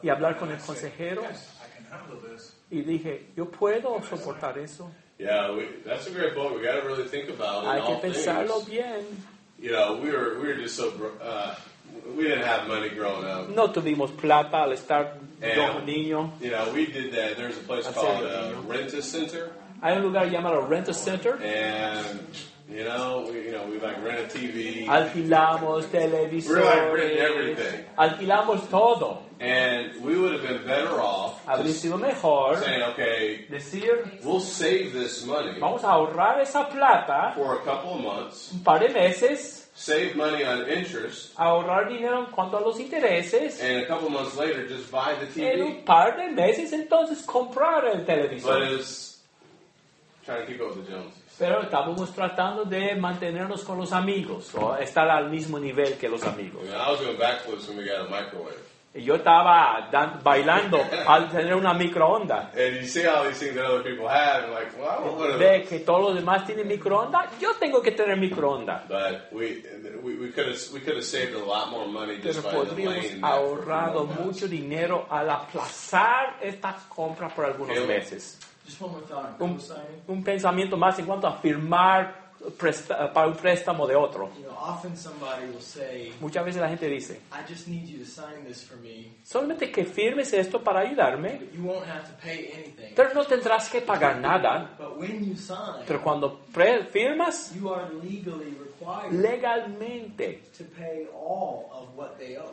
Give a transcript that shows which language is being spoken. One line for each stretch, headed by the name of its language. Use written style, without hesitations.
Spanish: y hablar con el consejero y dije, yo puedo soportar eso.
English: Yeah, that's a great point. We got to really think about it.
Spanish: Hay que pensarlo
English: things.
Spanish: Bien.
English: You know, we were just so we didn't have money growing up.
Spanish: No tuvimos plata al estar.
English: And, you know, we did that. There's a place called Rent-A-Center.
Spanish: Hay un lugar llamado Rent-A-Center.
English: And, we like rent a TV.
Spanish: Alquilamos televisores.
English: We like rent everything.
Spanish: Alquilamos todo.
English: And we would have been better off
Spanish: sido mejor
English: saying, okay,
Spanish: decir,
English: we'll save this money.
Spanish: Vamos a ahorrar esa plata
English: for a couple of months.
Spanish: Un par de meses.
English: Save money on interest.
Spanish: Ahorrar dinero en cuanto a los intereses.
English: And a couple months later, just buy the TV.
Spanish: En un par de meses, entonces, comprar el televisor.
English: But it's trying to keep up with the Joneses.
Spanish: Pero estábamos tratando de mantenernos con los amigos, o estar al mismo nivel que los amigos.
English: I mean, I was doing backflips when we got a microwave.
Spanish: Y yo estaba bailando al tener una microonda.
English: And you see all these things that other people have, and like, well, I don't want to.
Spanish: Ve que todos los demás tienen microonda, yo tengo que tener microonda.
English: But we could have saved a lot more money just
Spanish: pero
English: by
Spanish: podríamos
English: the
Spanish: ahorrado mucho house. Dinero al aplazar estas compras por algunos Caleb. Meses.
English: Just one more thought.
Spanish: Un pensamiento más en cuanto a firmar para un préstamo de otro.
English: You know, often somebody will say,
Spanish: muchas veces la gente dice,
English: I just need you to sign this for me.
Spanish: Solamente que firmes esto para ayudarme.
English: But you won't have to pay anything.
Spanish: Pero no tendrás que pagar nada.
English: But when you sign,
Spanish: pero cuando firmas,
English: you are legally required
Spanish: legalmente
English: to pay all of what they owe.